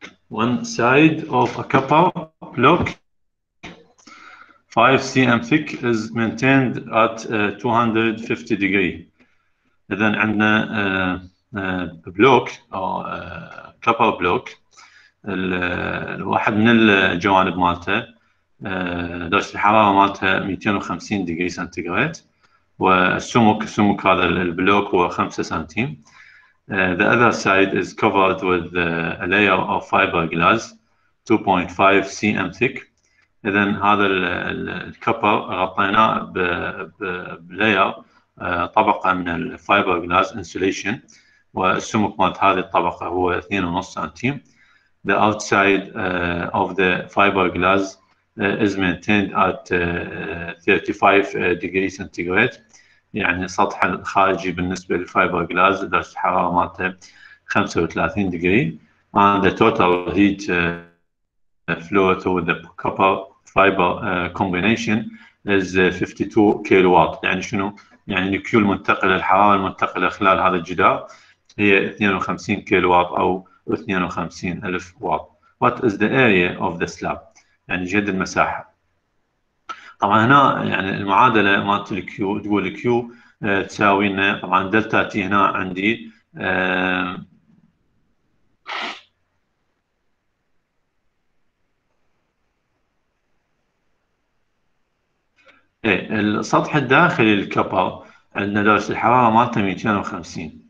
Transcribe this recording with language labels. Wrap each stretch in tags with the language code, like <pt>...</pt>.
<en>One side of a copper block 5 cm thick is maintained at 250 degree.</en> <ar>إذن عندنا بلوك أو كوبر بلوك، الواحد من الجوانب مالته درجة الحرارة مالته 250 ديجري سنتيغريد، والسمك سمك هذا البلوك هو 5 سنتيم.</ar> <en>The other side is covered with a layer of fiberglass 2.5 cm thick.</en> <ar>إذا هذا الكوبر غطيناه بلاير طبقة من الفايبر جلاس انسوليشن، والسمك مالت هذه الطبقة هو 2.5 سنتيم.</ar> <en>The outside of the fiber glass is maintained at 35 degree centigrade.</en> <ar>يعني السطح الخارجي بالنسبة للفايبر جلاس درجة الحرارة مالته 35 ديجري.</ar> <en>And the total heat flow through the copper fiber combination is 52 kilowatt.</en> <ar>يعني شنو؟ يعني النكيو المنتقل، الحرارة المنتقلة خلال هذا الجدار هي 52 كيلو وات أو 52 ألف وات.</ar> <en>What is the area of the slab؟</en> <ar>يعني جد المساحة. طبعا هنا يعني المعادلة مالت الكيو تقول كيو تساوي لنا طبعا دلتا تي. هنا عندي ايه السطح الداخلي للكبر عندنا درجة الحرارة مالته 250.</ar>